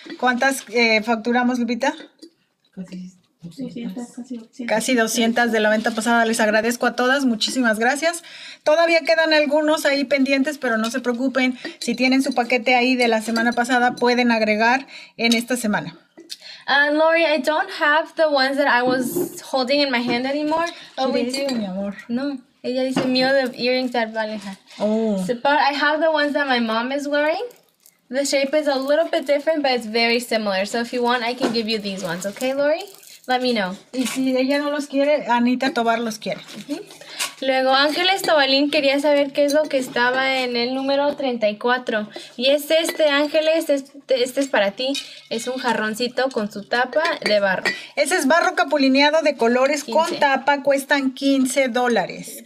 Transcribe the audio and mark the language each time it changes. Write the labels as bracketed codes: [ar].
[es] ¿Cuántas facturamos, Lupita? Casi 200 de la venta pasada. Les agradezco a todas, muchísimas gracias. Todavía quedan algunos ahí pendientes, pero no se preocupen. Si tienen su paquete ahí de la semana pasada, pueden agregar en esta semana. [en] Lori, I don't have the ones that I was holding in my hand anymore. Oh, we do. [es] Dice, mi amor. No, ella dice, mío de [en] earrings that [es] Valeja. Oh. [en] So, but I have the ones that my mom is wearing. The shape is a little bit different, but it's very similar. So if you want, I can give you these ones, okay, Lori? Let me know. [es] Y si ella no los quiere, Anita Tobar los quiere. Uh-huh. Luego, Ángeles Tobalín quería saber qué es lo que estaba en el número 34. Y es este, Ángeles, este es para ti. Es un jarroncito con su tapa de barro. Ese es barro capulineado de colores 15. Con tapa, cuestan $15.